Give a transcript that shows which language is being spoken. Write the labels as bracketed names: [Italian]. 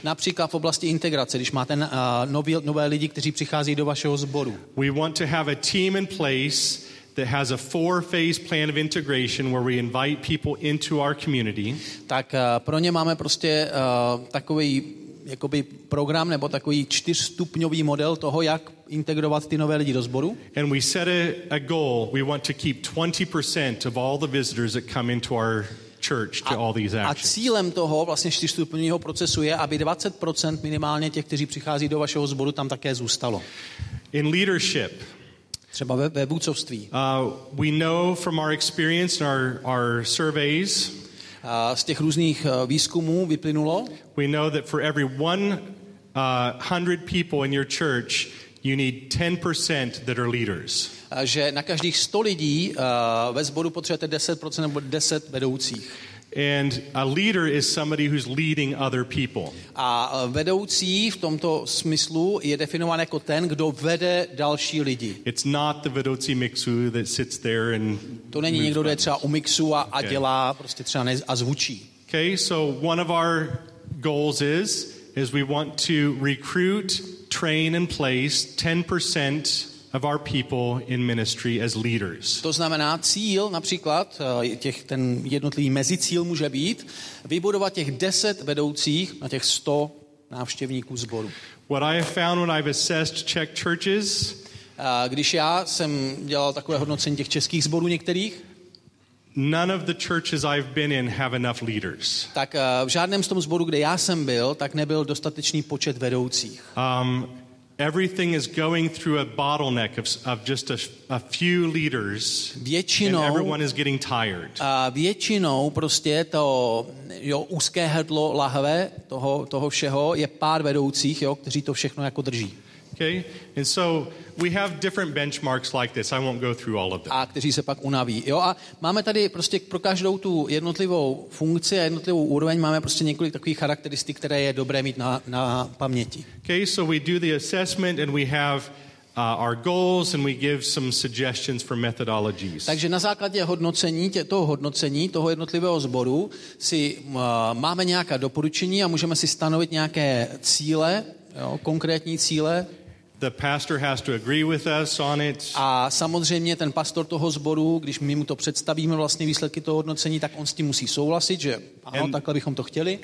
[Czech] Například v oblasti integrace, když máte nové lidi, kteří přichází do vašeho sboru. [English] We want to have a team in place that has a four-phase plan of integration where we invite people into our community. [Czech] Tak pro ně máme prostě takový jakoby program nebo takový čtyřstupňový model toho, jak integrovat ty nové lidi do sboru. [English] And we set a goal. We want to keep 20% of all the visitors that come into our church to all these actions. [Czech] A cílem toho vlastně čtyřstupňového procesu je, aby 20% minimálně těch, kteří přichází do vašeho sboru, tam také zůstalo. [English] In leadership, [Czech] třeba ve vůdcovství. [English] We know from our experience and our surveys, [Czech] z těch různých výzkumů vyplynulo, [English] we know that for every 100 people in your church, you need 10% that are leaders. [Czech] Že na každých 100 lidí ve sboru potřebujete 10% nebo 10 vedoucích. [English] And a leader is somebody who's leading other people. [Czech] A vedoucí v tomto smyslu je definován jako ten, kdo vede další lidi. [English] It's not the [Czech] vedoucí mixu [English] that sits there and [Czech] to není někdo, kdo je třeba u mixu a dělá prostě třeba a zvučí. [English] Okay, so one of our goals is we want to recruit, train and place 10% of our people in ministry as leaders. [Czech] To znamená cíl například těch ten jednotlivý mezicíl může být vybudovat těch 10 vedoucích na těch 100 návštěvníků sboru. [English] What I have found when I've assessed Czech churches, [Czech] když já jsem dělal takové hodnocení těch českých sborů některých, [English] none of the churches I've been in have enough leaders. [Czech] Tak v žádném z tom sboru, kde já jsem byl, tak nebyl dostatečný počet vedoucích. [English] Everything is going through a bottleneck of just a few leaders. [Czech] Většinou, [English] and everyone is getting tired. [Czech] Většinou prostě to jo úzké hrdlo lahve toho všeho je pár vedoucích, jo, kteří to všechno jako drží. [English] Okay? And so we have different benchmarks like this. I won't go through all of them. [Czech] A kteří se pak unaví. Jo, a máme tady prostě pro každou tu jednotlivou funkci a jednotlivou úroveň máme prostě několik takových charakteristik, které je dobré mít na paměti. [English] Okay, so we do the assessment and we have our goals and we give some suggestions for methodologies. [Czech] Takže na základě hodnocení toho jednotlivého sboru si máme nějaká doporučení a můžeme si stanovit nějaké cíle, jo, konkrétní cíle. [English] The pastor has to agree with us on it. [Czech] A samozřejmě ten pastor toho sboru, když my mu to představíme vlastně výsledky toho hodnocení, tak on s tím musí souhlasit, že ano, and, takhle bychom to chtěli.